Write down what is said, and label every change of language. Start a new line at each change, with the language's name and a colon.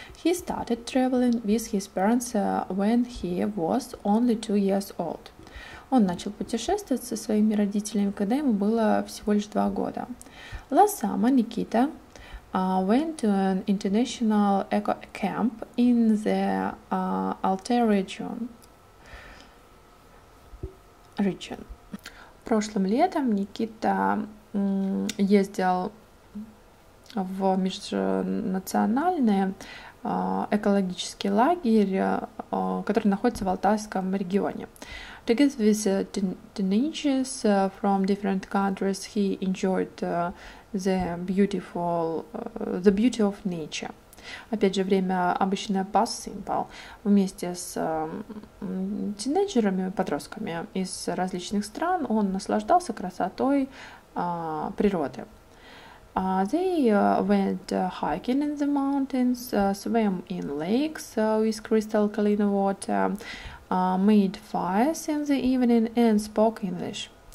English: He started traveling with his parents when he was only 2 years old.
Russian: Он начал путешествовать со своими родителями, когда ему было всего лишь 2 года.
English: Last summer Nikita went to an international eco camp in the Altai region.
Russian: Прошлым летом Никита ездил в межнациональный экологический лагерь, который находится в Алтайском регионе.
English: Together with teenagers from different countries, he enjoyed the beauty of nature.
Russian: Опять же, время обычное past simple. Вместе с тинейджерами, подростками из различных стран, он наслаждался красотой природы.
English: They went hiking in the mountains, swam in lakes with crystal clean water, made fires in the evening and spoke English.